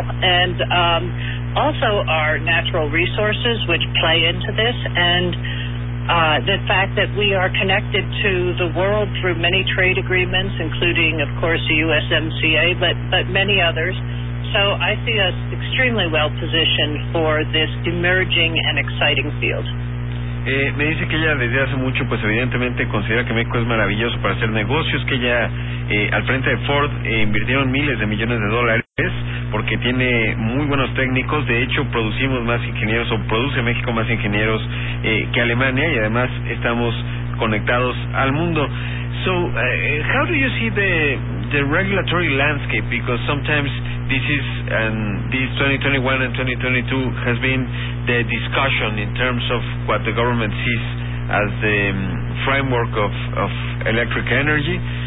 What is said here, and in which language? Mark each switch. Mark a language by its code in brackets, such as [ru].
[en] And also our natural resources, which play into this, and the fact that we are connected to the world through many trade agreements, including, of course, the USMCA, but many others. So I see us extremely well positioned for this emerging and exciting field. [es] Me dice que ella desde hace mucho, pues evidentemente considera que México es maravilloso para hacer negocios, que ella al frente de Ford invirtieron miles de millones de dólares porque tiene muy buenos técnicos. De hecho, producimos más ingenieros, o produce México más ingenieros que Alemania, y además estamos conectados al mundo. [en] So, how do you see the regulatory landscape? Because sometimes this is, and this 2021 and 2022 has been the discussion in terms of what the government sees as the framework of electric energy.